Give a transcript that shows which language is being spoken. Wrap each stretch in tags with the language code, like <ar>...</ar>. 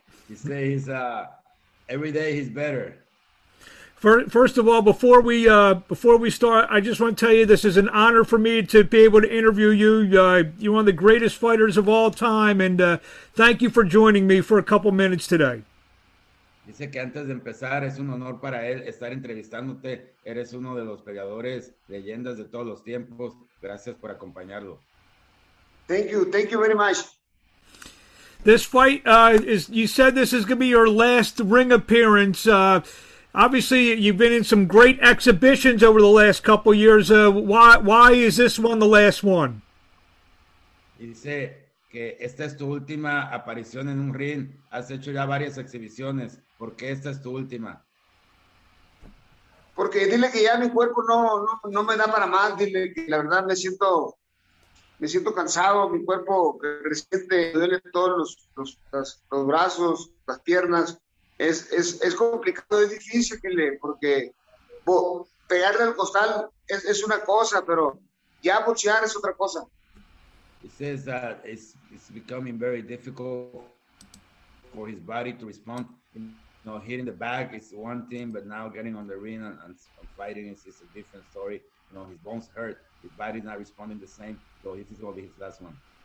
<en>He says he's, every day he's better. First of all, before we start, I just want to tell you this is an honor for me to be able to interview you. You're one of the greatest fighters of all time, and thank you for joining me for a couple minutes today.</en> <es>Dice que antes de empezar es un honor para él estar entrevistándote. Eres uno de los peleadores leyendas de todos los tiempos. Gracias por acompañarlo.</es> <en>Thank you very much. This fight, you said this is going to be your last ring appearance. Obviously, you've been in some great exhibitions over the last couple of years. Why is this one the last one?</en> <es>Dice que esta es tu última aparición en un ring. Has hecho ya varias exhibiciones. ¿Por qué esta es tu última? Porque dile que ya mi cuerpo no me da para más. Dile que la verdad me siento cansado. Mi cuerpo resiente, duele todos los brazos, las piernas. Es complicado, es difícil que le, porque pegarle al costal es una cosa, pero ya boxear es otra cosa.</es> <en>He says that it's becoming very difficult for his body to respond. You know, hitting the back is one thing, but now getting on the ring and fighting is a different story. You know, his bones hurt, his body not responding the same, so this is going to be his last one.</en>